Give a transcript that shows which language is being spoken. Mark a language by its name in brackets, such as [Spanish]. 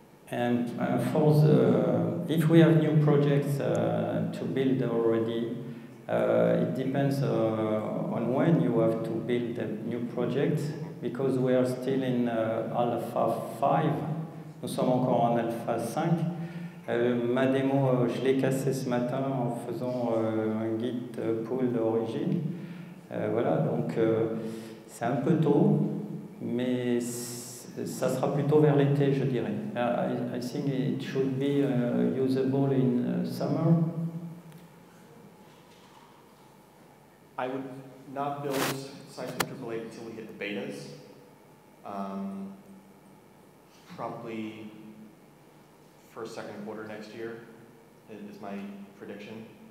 [English] And for the, if we have new projects to build already, it depends on when you have to build a new project, because we are still in alpha 5. [French] Nous sommes encore en alpha 5. Ma démo, je l'ai cassée ce matin en faisant un git pull d'origine. Voilà, donc c'est un peu tôt, mais ça sera plutôt vers l'été, je dirais. [English] I think it should be usable in summer. I would not build Symfony Drupal 8 until we hit the betas. Probably first, second quarter next year is my prediction.